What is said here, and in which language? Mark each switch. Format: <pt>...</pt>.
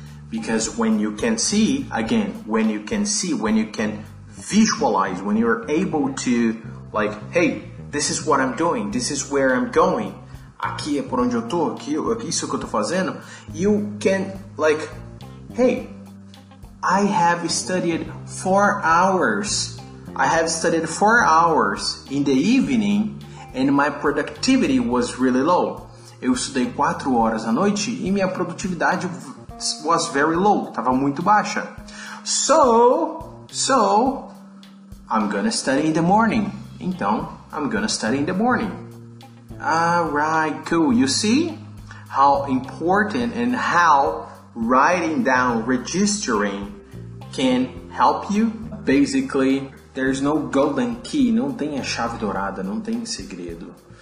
<en>Because when you can see, again, when you can see, when you can visualize, when you're able to, like, hey, this is what I'm doing, this is where I'm going,</en> <pt>aqui é por onde eu tô, aqui, isso que eu tô fazendo,</pt> <en>you can, like, hey, I have studied 4 hours. I have studied 4 hours in the evening, and my productivity was really low.</en> <pt>Eu estudei 4 horas à noite e minha produtividade</pt> <en>was very low.</en> <pt>Tava muito baixa.</pt> <en>So, I'm gonna study in the morning. Então, I'm gonna study in the morning. Alright, cool. You see how important and how writing down, registering can help you? Basically, there's no golden key,</en> <pt>não tem a chave dourada, não tem segredo.</pt>